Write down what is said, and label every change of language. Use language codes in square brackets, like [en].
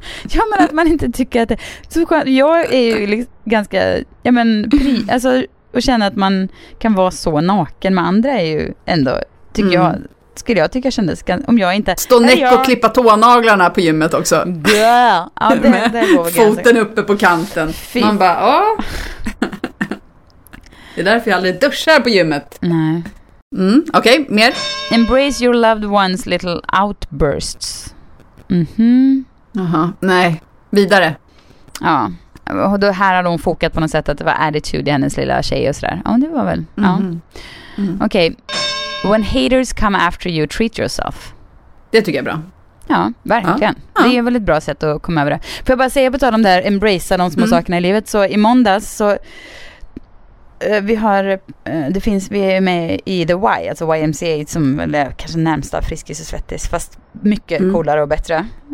[sv] Ja, men att man inte tycker att det är så skönt. Jag är ju liksom ganska, alltså, och känner att man kan vara så naken med andra är ju ändå, tycker jag. Skulle jag tycka kändes om jag inte stå näck och klippa tånaglarna på gymmet också. Ja, det foten uppe på kanten. Fy. Man bara, ja. Det är därför jag aldrig duschar på gymmet. Nej. Okej, mer. [en] Embrace your loved ones little outbursts. [sv] Aha. Nej, vidare. Ja. Och då här har hon fokat på något sätt att det var [en] attitude [sv] i hennes lilla tjej och sådär. Ja, det var väl. Ja. Okej. [en] When haters come after you, treat yourself. [sv] Det tycker jag är bra. Ja, verkligen. Ja. Det är ett väldigt bra sätt att komma över det. För jag bara säga på tal om det här, [en] embrace [sv] de små sakerna i livet. Så i måndags så vi är med i The Y, alltså YMCA som är kanske närmsta Friskis och Svettis, fast mycket coolare och bättre.